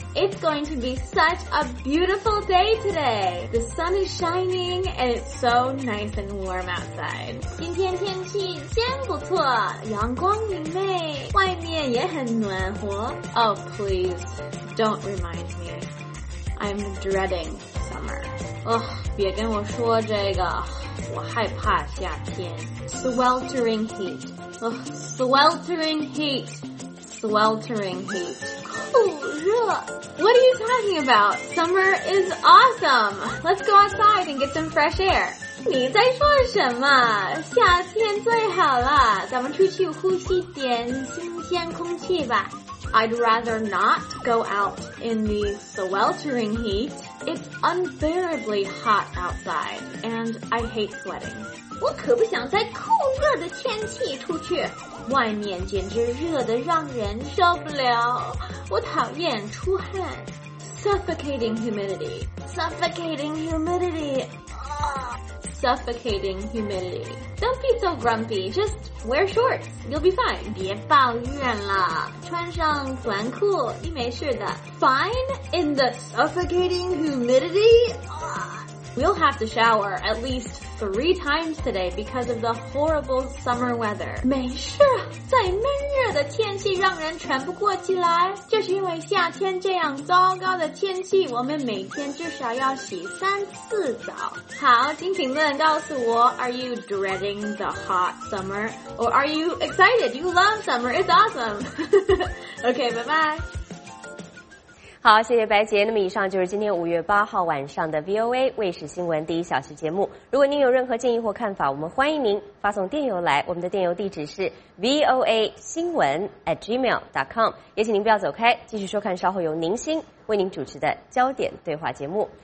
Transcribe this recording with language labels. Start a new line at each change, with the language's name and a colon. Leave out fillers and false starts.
English: It's going to be such a beautiful day today. The sun is shining and it's so nice and warm outside.
Chinese: 今天天气真不错，阳光明媚，外面也很暖和.
English: Oh, please, don't remind me. I'm dreading summer. Oh,
Chinese: 别跟我说这个。我害怕夏天
English: Sweltering heat、Sweltering heat Sweltering heat
Chinese: 酷热
English: What are you talking about? Summer is awesome! Let's go outside and get some fresh air
Chinese: 你在说什么？夏天最好了，咱们出去呼吸点新鲜空气吧。
English: I'd rather not go out in the sweltering heat. It's unbearably hot outside, and I hate sweating.
Chinese: 我可不想在酷热的天气出去，外面简直热得让人受不了。我讨厌出汗。
English: Suffocating humidity. Suffocating humidity. Suffocating humidity. Don't be so grumpy. Just wear shorts. You'll be fine.
Chinese: 别抱怨了，穿上短裤，你没事的。
English: Fine in the suffocating humidity? We'll have to shower at least 3 times today because of the horrible summer weather.
Chinese: 没事，在闷热的天气让人喘不过气来。就是因为夏天这样糟糕的天气，我们每天至少要洗3次澡。好，请评论告诉我 ,
English: Are you dreading the hot summer? Or are you excited? You love summer, it's awesome! Okay, bye bye!
Chinese: 好，谢谢白杰。那么以上就是今天5月8号晚上的 VOA 卫视新闻第一小时节目。如果您有任何建议或看法，我们欢迎您发送电邮来，我们的电邮地址是 voa 新闻@gmail.com。也请您不要走开，继续收看稍后由宁馨为您主持的焦点对话节目。